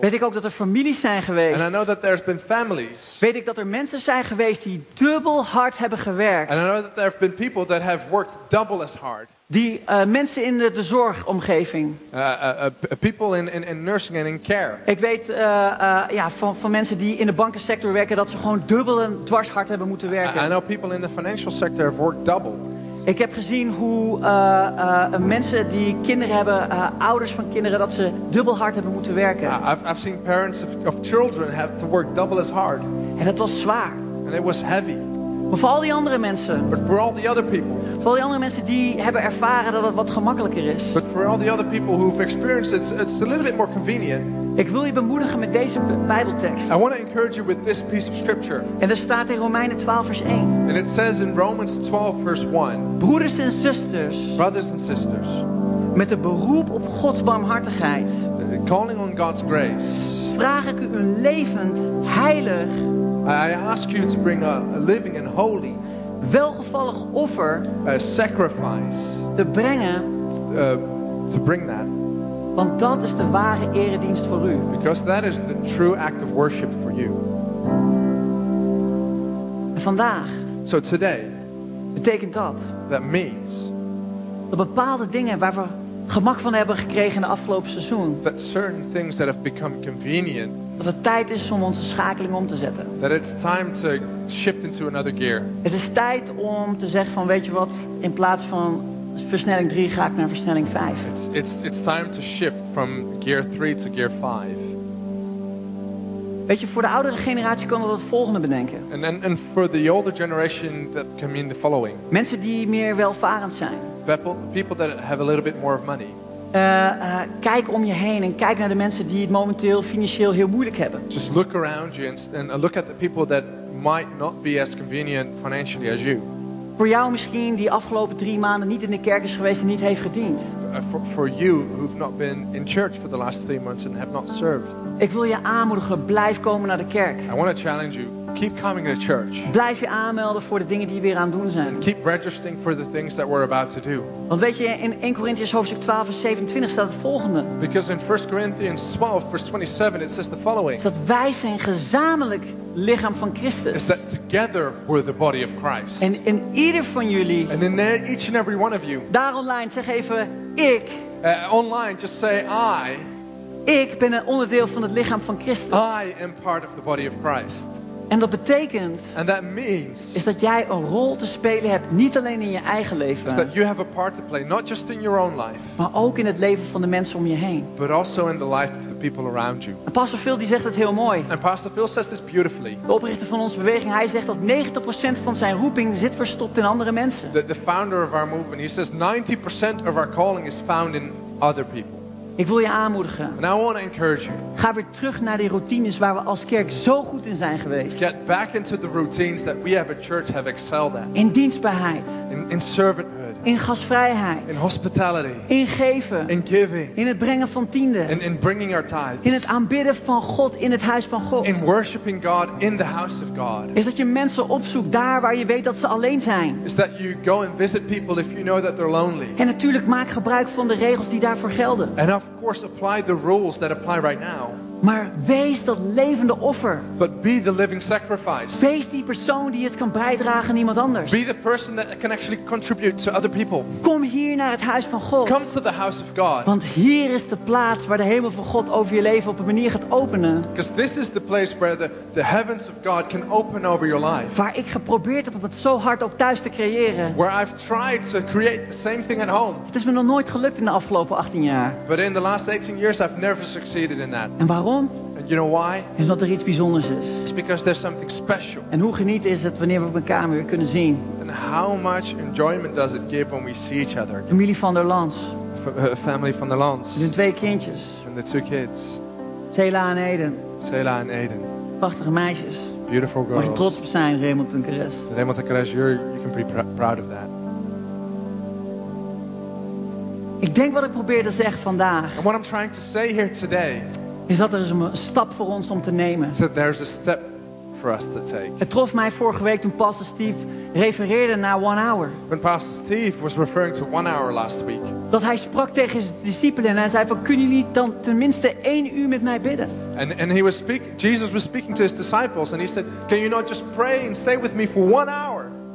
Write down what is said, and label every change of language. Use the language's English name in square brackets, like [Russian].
[Dutch] Weet ik ook dat er families zijn geweest. [English] And I know that there's been families. [Dutch] Weet ik dat er mensen zijn geweest die dubbel hard hebben gewerkt. [English] And I know that there have been people that have worked double as hard. [Dutch] Die mensen in de zorgomgeving. [English] People in nursing and in care. [Dutch] Ik weet van mensen die in de bankensector werken dat ze gewoon dubbel en dwars hard hebben moeten werken. [English] I know people in the financial sector have worked double. [Dutch] Ik heb gezien hoe mensen die kinderen hebben, ouders van kinderen, dat ze dubbel hard hebben moeten werken. [English] I've seen parents of children have to work double as hard. [Dutch] En dat was zwaar. [English] And it was heavy. [Dutch] Maar voor al die andere mensen. [English] But for all the other people. [Dutch] Voor al die andere mensen die hebben ervaren dat het wat gemakkelijker is. [English] But for all the other people who've experienced it, it's a little bit more convenient. [Dutch] Ik wil je bemoedigen met deze Bijbeltekst. [English] I want to encourage you with this piece of scripture. [Dutch] En dat staat in Romeinen 12 vers 1. [English] And it says in Romans 12 verse 1. [Dutch] Broeders en zusters. [English] Brothers and sisters. [Dutch] Met een beroep op Gods barmhartigheid. [English] Calling on God's grace. [Dutch] Vraag ik u een levend, heilig. [English] I ask you to bring a living and holy. [Dutch] Welgevallig offer. [English] A sacrifice. [Dutch] Te brengen. [English] To bring that. [Dutch] Want dat is de ware eredienst voor u. [English] Because that is the true act of worship for you. [Dutch] En vandaag. [English] So today. [Dutch] Betekent dat. [English] That means. [Dutch] Dat bepaalde dingen waar we gemak van hebben gekregen in de afgelopen seizoen. [English] That certain things that have become convenient. [Dutch] Dat het tijd is om onze schakeling om te zetten. [English] That it's time to shift into another gear. [Dutch] Het is tijd om te zeggen van weet je wat, in plaats van versnelling 3 ga ik naar versnelling 5. [English] It's time to shift from gear 3 to gear 5. [Dutch] Weet je, voor de oudere generatie kan dat het volgende bedenken. [English] And for the older generation that can mean the following. [Dutch] Mensen die meer welvarend zijn. [English] People that have a little bit more of money. [Dutch] Kijk om je heen en kijk naar de mensen die het momenteel financieel heel moeilijk hebben. [English] Just look around you and look at the people that might not be as convenient financially as you. [Dutch] Voor jou misschien die afgelopen 3 maanden niet in de kerk is geweest en niet heeft gediend. [English] For you who've not been in church for the last 3 months and have not served. [Dutch] Ik wil je aanmoedigen, blijf komen naar de kerk. [English] I want to challenge you, keep coming to church. [Dutch] Blijf je aanmelden voor de dingen die we weer aan het doen zijn. [English] And keep registering for the things that we're about to do. [Dutch] Want weet je, in 1 Corinthians hoofdstuk 12 vers 27 staat het volgende. [English] Because in 1 Corinthians 12 verse 27 it says the following. [Dutch] Dat wij zijn gezamenlijk lichaam van Christus. [English] Is that together we're the body of Christ. [Dutch] En in ieder van jullie. [English] And in each and every one of you. [Dutch] Daar online zeg even ik. [English] Online just say I. [Dutch] Ik ben een onderdeel van het lichaam van Christus. [English] I am part of the body of Christ. [Dutch] En dat betekent. [English] And that means. [Dutch] Is dat jij een rol te spelen hebt, niet alleen in je eigen leven. [English] Is that you have a part to play, not just in your own life. [Dutch] Maar ook in het leven van de mensen om je heen. [English] But also in the life of the people around you. [Dutch] En Pastor Phil die zegt het heel mooi. [English] And Pastor Phil says this beautifully. [Dutch] De oprichter van onze beweging, hij zegt dat 90% van zijn roeping zit verstopt in andere mensen. [English] The founder of our movement, he says 90% of our calling is found in other people. [Dutch] Ik wil je aanmoedigen. [English] And I want to encourage you. [Dutch] Ga weer terug naar die routines waar we als kerk zo goed in zijn geweest. [English] Get back into the routines that we as a church have excelled at. [Dutch] In dienstbaarheid. [English] In servanthood. [Dutch] In gastvrijheid. [English] In hospitality. [Dutch] In geven. [English] In giving. [Dutch] In het brengen van tienden. [English] In bringing our tithes. [Dutch] In het aanbidden van God in het huis van God. [English] In worshiping God in the house of God. [Dutch] Is dat je mensen opzoekt daar waar je weet dat ze alleen zijn. [English] Is that you go and visit people if you know that they're lonely. [Dutch] En natuurlijk maak gebruik van de regels die daarvoor gelden. [English] And of course apply the rules that apply right now. [Dutch] Maar wees dat levende offer. [English] But be the living sacrifice. [Dutch] Wees die persoon die het kan bijdragen aan iemand anders. [English] Be the person that can actually contribute to other people. [Dutch] Kom hier naar het huis van God. [English] Come to the house of God. [Dutch] Want hier is de plaats waar de hemel van God over je leven op een manier gaat openen. [English] Because this is the place where the heavens of God can open over your life. [Dutch] Waar ik geprobeerd heb om het zo hard ook thuis te creëren. [English] Where I've tried to create the same thing at home. [Dutch] Het is me nog nooit gelukt in de afgelopen 18 jaar. [English] But in the last 18 years I've never succeeded in that. [Dutch] En waarom? [English] And you know why? [Dutch] Is omdat er iets bijzonders is. [English] It's because there's something special. [Dutch] En hoe genieten is het wanneer we elkaar weer kunnen zien? [English] And how much enjoyment does it give when we see each other? [Dutch] Familie van der Lans. [English] Family van der Lans. [Dutch] De 2 kindjes. [English] And the 2 kids. [Dutch] Selah en Aiden. Selah en Aiden. Prachtige meisjes. [English] Beautiful girls. [Dutch] Mag je trots op zijn, Raymond en Cares. [English] Raymond en Cares, you can be proud of that. [Dutch] Ik denk wat ik probeer te zeggen vandaag. [English] And what I'm trying to say here today. [Dutch] Is dat er is een stap voor ons om te nemen. [English] That there's a step for us to take. [Dutch] Het trof mij vorige week toen Pastor Steve refereerde naar [English] 1 hour. When Pastor Steve was referring to 1 hour last week. [Dutch] Dat hij sprak tegen zijn discipelen en hij zei van kunnen jullie dan tenminste 1 uur met mij bidden? [English] And he was Jesus was speaking to his disciples and he said, can you not just pray and stay with me for 1 hour?